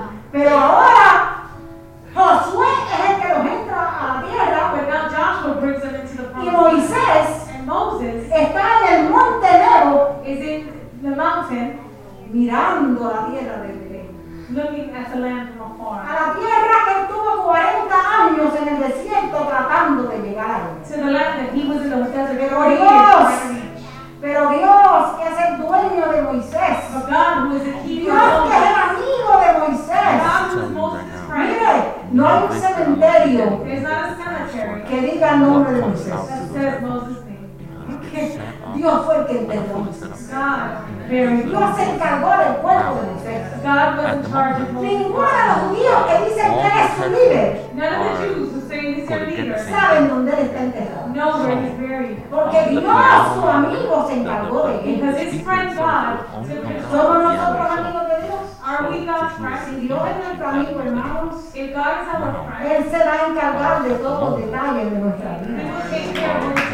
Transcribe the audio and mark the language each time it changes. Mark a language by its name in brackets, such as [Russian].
[Spanish] Pero ahora Josué es el que los entra a la tierra. Y Moisés está en el monte Nebo, [English] is in the mountain, [Spanish] mirando la tierra de Belén, [English] looking at the land from afar. [Spanish] A la tierra que estuvo 40 años en el desierto tratando de llegar. [English] To the land that he was in the desert. [Spanish] Pero Dios, que es el dueño de Moisés, [English] but God, who is the key, [Spanish] Dios, que es el amigo de Moisés, mire, no hay un cementerio que diga el nombre de Moisés. Dios fue el que enterró Moisés. Dios se encargó del cuerpo de Moisés. [English] God was in charge of Moses. [Spanish] Ninguno de los judíos que dicen que es su líder, [English] none of the Jews who say he's your leader, [Spanish] saben dónde está enterrado. [English] No, where he's buried. [Spanish] Porque Dios, su amigo, se encargó de él. [English] Because his friend God. [Spanish] ¿Somos nosotros amigos de Dios? [English] Are we God's friends? [Spanish] Si Dios es nuestro amigo, hermanos, [English] if God is our friend, [Spanish] él será encargado de todos los detalles de nuestra vida.